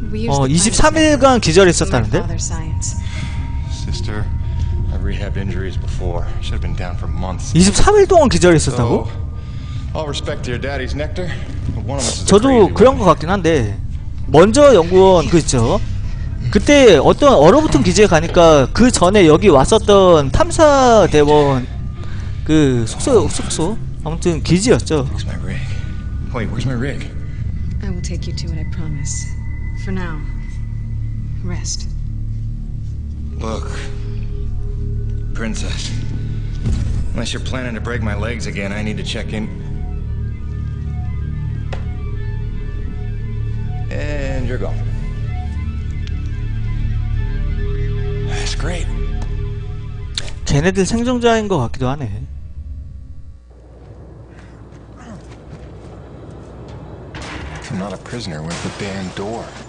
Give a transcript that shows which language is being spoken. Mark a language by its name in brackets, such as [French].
[Korean] 어, 23일간 기절했었다는데? [English] Sister, I've rehabbed injuries before. Should have been down for months. [Korean] 23일 동안 기절했었다고? [English] All respect to your daddy's nectar. [Korean] 저도 그런 것 같긴 한데. 먼저 연구원 그 있죠. 그때 어떤 얼어붙은 기지에 가니까 그 전에 여기 왔었던 탐사 대원 그 숙소 아무튼 기지였죠. [English] Wait, where's my rig? I will take you to it, I promise. For now, rest. Look, princess. Unless you're planning to break my legs again, I need to check in. And you're gone. That's great. [Korean] 걔네들 생존자인 것 같기도 하네. [English] 'm not a prisoner with the damn door.